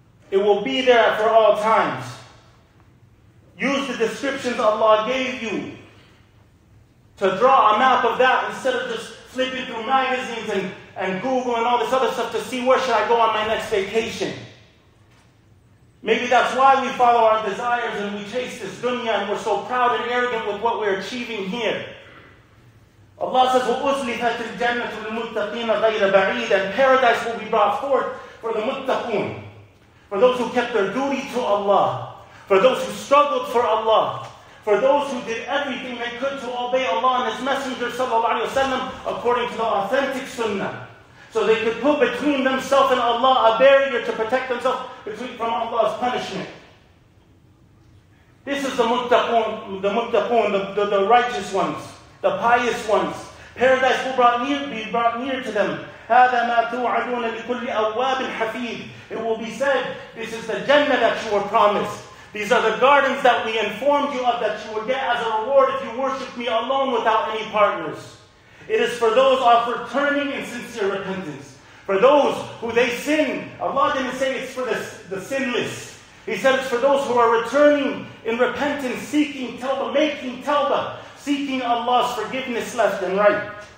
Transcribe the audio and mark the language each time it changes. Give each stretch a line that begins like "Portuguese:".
English: It will be there for all times. Use the descriptions Allah gave you to draw a map of that, instead of just flipping through magazines and Google and all this other stuff to see where should I go on my next vacation. Maybe that's why we follow our desires and we chase this dunya and we're so proud and arrogant with what we're achieving here. Allah says,
Arabic: وَأُزْلِفَتِ الْجَنَّةُ لِلْمُتَّقِينَ غَيْرَ بَعِيدٍ.
English: And paradise will be brought forth for the muttaqun, for those who kept their duty to Allah, for those who struggled for Allah, for those who did everything they could to obey Allah and His Messenger sallallahu alayhi wa sallam according to the authentic sunnah. So they could put between themselves and Allah a barrier to protect themselves between from Allah's punishment. This is the muttaqun, the righteous ones, the pious ones. Paradise will be brought near to them.
Arabic: هذا ما توعدون لكل أواب حفيظ.
English: It will be said, this is the Jannah that you were promised. These are the gardens that we informed you of that you would get as a reward if you worship me alone without any partners. It is for those offered turning and sincere repentance. For those who they sin. Allah didn't say it's for the sinless. He said it's for those who are returning in repentance, seeking tawbah, making tawbah, seeking Allah's forgiveness left and right.